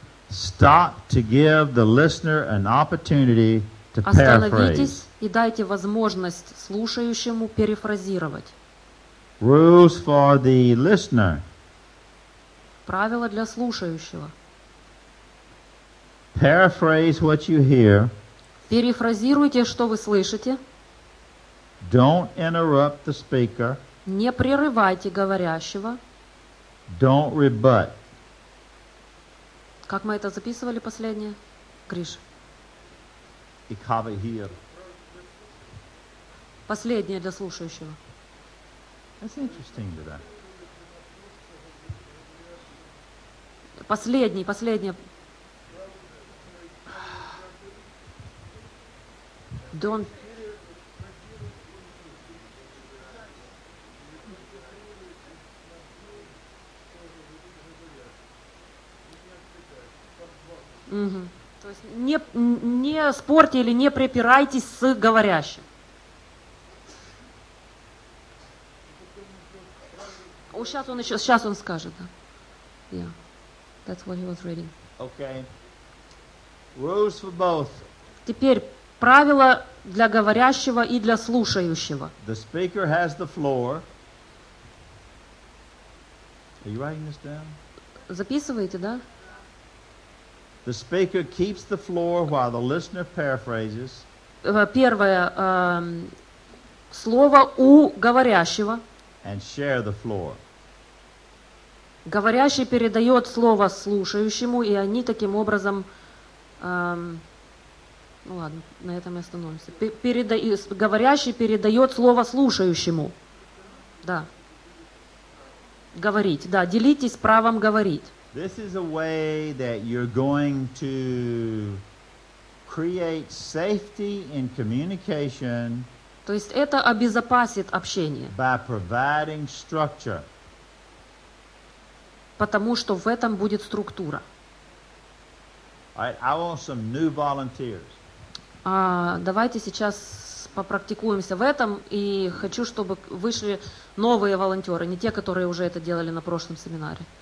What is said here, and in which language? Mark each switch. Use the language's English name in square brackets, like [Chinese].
[English] Stop to give the listener an opportunity to paraphrase. [Russian] Остановитесь и дайте возможность слушающему перефразировать. [English] Rules for the listener. [Russian] Правила для слушающего. [English] Paraphrase what you hear. [Russian] Перефразируйте, что вы слышите. [English] Don't interrupt the speaker. [Russian] Не прерывайте говорящего. [English] Don't rebut. [Russian] Как мы это записывали последнее? Гриш. [German] Ich habe hier. [Russian] Последнее для слушающего. [English] That's interesting, да? [Russian] Последнее. [English] Don't. Угу. [Russian] То есть не спорьте или не препирайтесь с говорящим. О, сейчас он скажет, да. Yeah. [English] That's what he was reading. Okay. Rules for both. [Russian] Теперь правила для говорящего и для слушающего. [English] The speaker has the floor. Are you writing this down? [Russian] Записываете, да? [English] The speaker keeps the floor while the listener paraphrases. [Russian] Первое, слово у говорящего. [English] And share the floor. [Russian] Говорящий передает слово слушающему, и они таким образом, ну ладно, на этом и остановимся. Говорящий передает слово слушающему. Да. Говорить, да, делитесь правом говорить. [English] This is a way that you're going to create safety in communication. [Russian] То есть это обезопасит общение. [English] By providing structure. [Russian] Потому что в этом будет структура. [English] All right, I want some new volunteers. [Russian] Давайте сейчас попрактикуемся в этом, и хочу, чтобы вышли новые волонтеры, не те, которые уже это делали на прошлом семинаре.